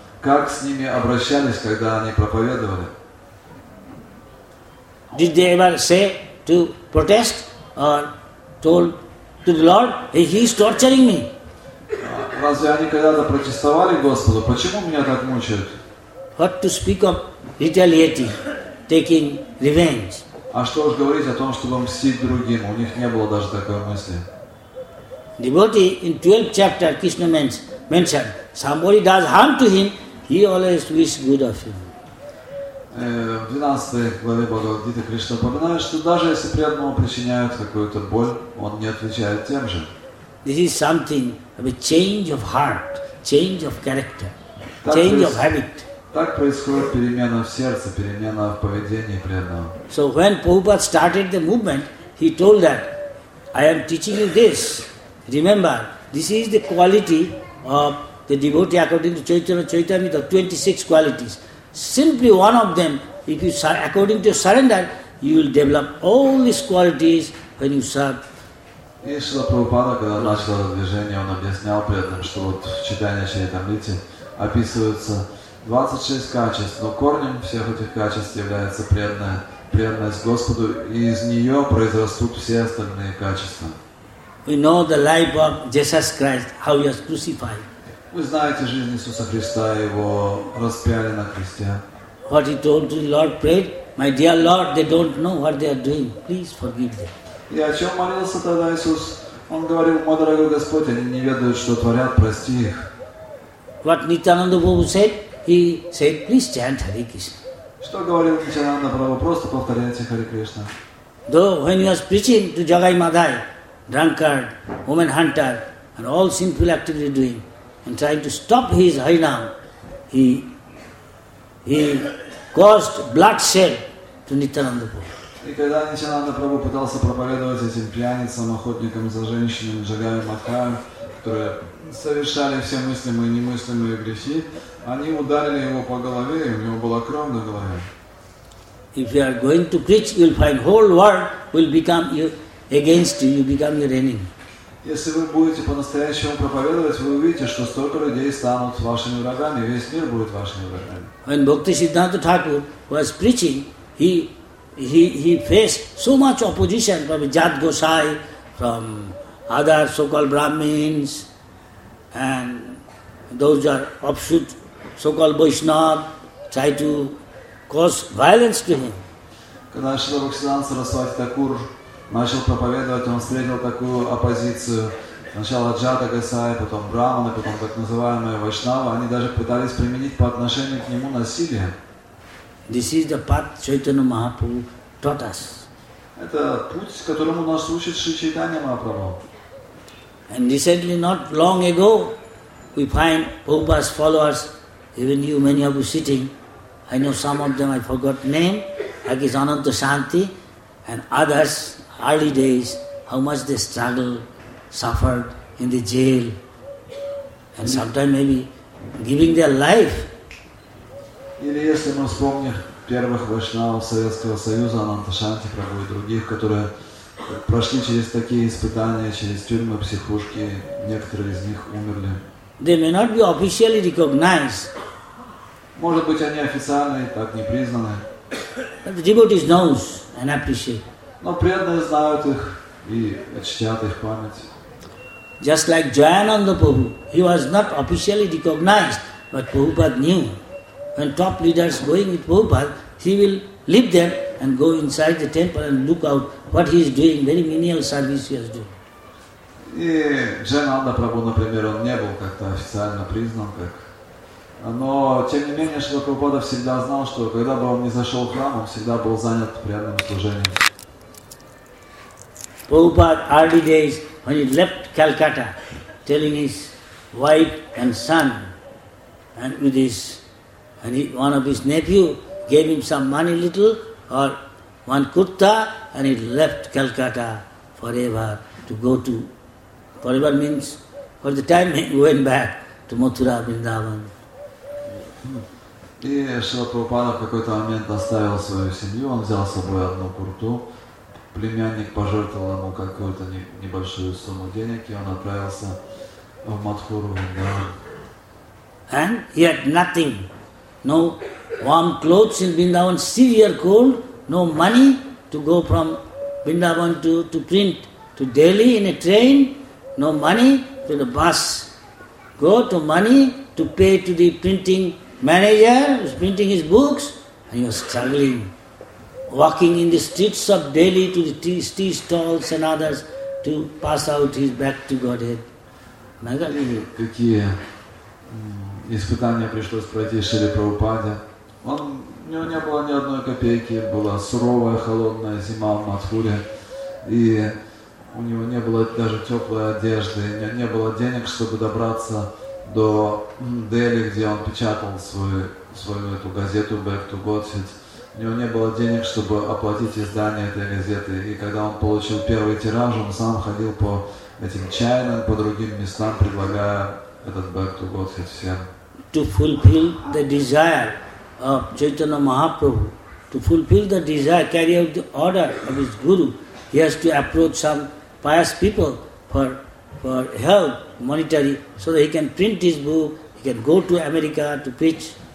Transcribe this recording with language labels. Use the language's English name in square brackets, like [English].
[Russian] Как с ними обращались, когда они проповедовали? [English] Did they ever say to protest or told to the Lord, hey, he is torturing me? [Russian] Разве они когда-то протестовали Господу? Почему меня так мучают? [English] What to speak of retaliating, taking revenge? [Russian] А что уж говорить о том, чтобы мстить другим? У них не было даже такой мысли. [English] Devotee in 12th chapter Krishna mentioned, somebody does harm to him, he always wish good of him. [Russian] В 12 главе Бхагавад-гиты Кришна упоминает, что даже если преданному причиняют какую-то боль, он не отвечает тем же. [English] This is something of a change of heart, change of character, change of habit. [Russian] Так происходит перемена в сердце, перемена в поведении преданного. [English] So when Prabhupada started the movement, he told that, I am teaching you this. Remember, this is the quality of the devotee according to Chaitanya Charitamrita, 26 qualities. Simply one of them, if you according to your surrender, you will develop all these qualities when you serve. [Russian] И Шрила Прабхупада, когда начал движение, он объяснял преданным, что вот в Чайтанья Чаритамрите описываются 26 качеств, но корнем всех этих качеств является преданность Господу, и из нее произрастут все остальные качества. [English] We know the life of Jesus Christ, how he was crucified. [Russian] Вы знаете жизнь Иисуса Христа, его распяли на кресте. [English] What he told to the Lord, prayed, my dear Lord, they don't know what they are doing. Please forgive them. [Russian] И о чем молился тогда Иисус? Он говорил, мой дорогой Господь, они не ведают, что творят, прости их. [English] What Nityananda Prabhu said? He said, please chant Hare Krishna. [Russian] Что говорил Нитянанда Прабху? Просто повторяйте Хари Кришна. [English] Though when he was preaching to Jagai Madai, drunkard, woman hunter, and all sinful activity doing, and trying to stop his Harinam, he caused bloodshed to Nityananda Prabhu. [Russian] И когда Нитянанда Прабху пытался проповедовать этим пьяницам, охотникам за женщинами, Джагай Мадхай, которые совершали все мыслимые и немыслимые грехи, они ударили его по голове, и у него была кровь на голове. [English] If you are going to preach, you will find whole world will become you against you, you become your enemy. [Russian] Если вы будете по-настоящему проповедовать, вы увидите, что столько людей станут вашими врагами, весь мир будет вашими врагами. [English] When Bhakti Siddhanta Thakur was preaching, he faced so much opposition from Jat Gosai, from other so-called Brahmins, and those are offshoot so-called Vaishnav, try to cause violence to him. [Russian] Когда Шрила Бхактисиддханта Сарасвати Такур начал проповедовать, он встретил такую оппозицию. Сначала Джата Гасай, потом Брахманы, потом так называемые Вайшнавы. Они даже пытались применить по отношению к нему насилие. [English] This is the path Chaitanya Mahaprabhu taught us. [Russian] Это путь, которому нас учит Шри Чайтанья Махапрабху. [English] And recently, not long ago, we find Prabhupada's followers, even you, many of you sitting. I know some of them, I forgot name, like is Ananta Shanti, and others, early days, how much they struggled, suffered in the jail, and sometimes maybe giving their life. [Russian] Или если мы вспомним первых вайшнавов Советского Союза, Ананта Шанти, Прабху и других, которые прошли через такие испытания, через тюрьмы, психушки, некоторые из них умерли. [English] They may not be officially recognized. [Russian] Может быть, они официально так не признаны. [English] But the devotees know and appreciate. [Russian] Но преданные знают их и чтят их память. [English] Just like Jayananda Prabhu, he was not officially recognized, but Prabhupada knew. When top leaders going with Prabhupada, he will leave them and go inside the temple and look out what he is doing, very menial service he has done. [Russian] И Джайананда Прабху, например, он не был как-то официально признан, как. Но тем не менее, что Прабхупада всегда знал, что когда бы он не зашел в храм, он всегда был занят преданным служением. [English] Prabhupada, early days, when he left Calcutta, telling his wife and son, and with his, and he, one of his nephew gave him some money little, or one kurta, and he left Calcutta forever to go to, forever means, for the time he went back to Mathura, Vrindavan. [Russian] И Шрила Прабхупада в какой-то момент оставил свою семью, он взял с собой одну курту. Племянник пожертвовал ему какую-то небольшую сумму денег, и он отправился в Матхуру. Да. [English] And he had nothing. No warm clothes in Vrindavan, severe cold, no money to go from Vrindavan to print to Delhi in a train, no money to the bus. Go to money to pay to the printing manager who's printing his books, and he was struggling. Walking in the streets of Delhi to the tea stalls and others to pass out his back to Godhead. Magad. [Russian] И какие испытания пришлось пройти Шриле Прабхупаде. Он, у него не было ни одной копейки, была суровая холодная зима в Матхуре, и у него не было даже теплой одежды, не было денег, чтобы добраться до Дели, где он печатал свою эту газету «Back to Godhead». У него не было денег, чтобы оплатить издание этой газеты. И когда он получил первый тираж, он сам ходил по этим чайным, по другим местам, предлагая этот «Back to Godhead» всем. [English] To fulfill the desire of Chaitanya Mahaprabhu, to fulfill the desire, carry out the order of his guru, he has to approach some pious people for help, monetary, so that he can print his book, he can go to America to preach.